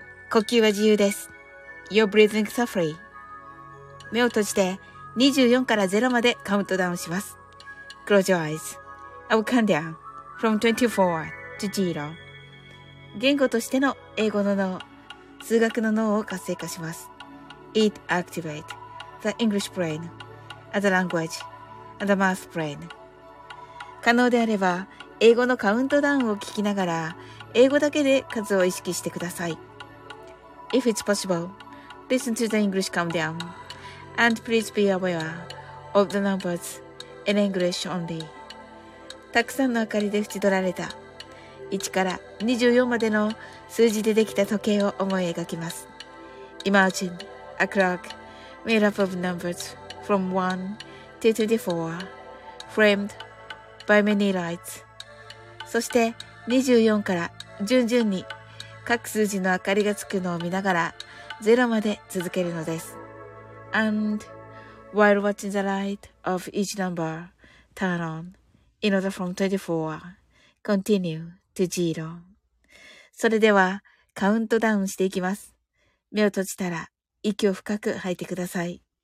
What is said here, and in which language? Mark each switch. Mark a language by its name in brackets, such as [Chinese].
[Japanese] 呼吸は自由です。 [English] You're breathing softly. [Japanese] 目を閉じて24から0までカウントダウンします。 [English] Close your eyes. I will count down from 24 to 0. [Japanese] 言語としての英語の脳、数学の脳を活性化します。 [English] It activates the English brain as a language and the math brain. [Japanese] 可能であれば、英語のカウントダウンを聞きながら、英語だけで数を意識してください。 [English] If it's possible, listen to the English countdown and please be aware of the numbers in English only. [Japanese] たくさんの明かりで縁取られた1から24までの数字でできた時計を思い描きます。 [English] Imagine a clock made up of numbers from 1 to 24 framed by many lights. [Japanese] そして24から順々に各数字の明かりがつくのを見ながら0まで続けるのです。 [English] And while watching the light of each number turn on in order from 24, continue to 0. [Japanese] それではカウントダウンしていきます。目を閉じたら息を深く吐いてください。